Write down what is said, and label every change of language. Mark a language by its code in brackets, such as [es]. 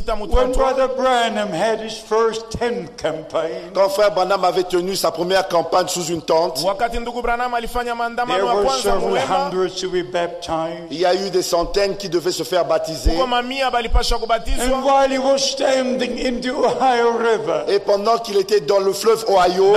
[en] When Brother Branham had his first tent camp. [fr] Quand Frère Branham avait tenu sa première campagne sous une tente, [en] there were several hundreds to be baptized. [fr] Il y a eu des centaines qui devaient se faire baptiser. [en] And while he was standing in the Ohio River, [fr] et pendant qu'il était dans le fleuve Ohio,